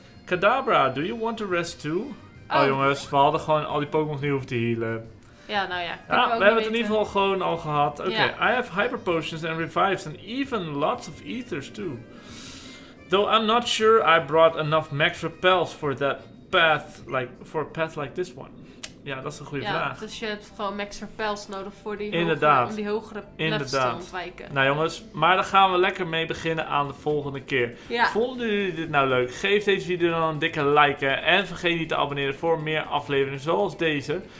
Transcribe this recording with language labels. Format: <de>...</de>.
<en>Kadabra, do you want to rest too?</en> <nl>Oh, oh jongens, we hadden gewoon al die Pokémon niet hoeven te healen. Ja, nou ja. Ja, we hebben het in ieder geval gewoon al gehad. Oké, okay.</nl> <en>Yeah. I have hyper potions and revives and even lots of ethers too. Though I'm not sure I brought enough max repels for that path, like, for a path like this one.</en> <nl>Ja, dat is een goede vraag. Ja, dus je hebt gewoon max repels nodig voor die inderdaad. Hogere levels te ontwijken. Nou jongens, maar daar gaan we lekker mee beginnen aan de volgende keer. Ja. Vonden jullie dit nou leuk? Geef deze video dan een dikke like, hè? En vergeet niet te abonneren voor meer afleveringen zoals deze.</nl>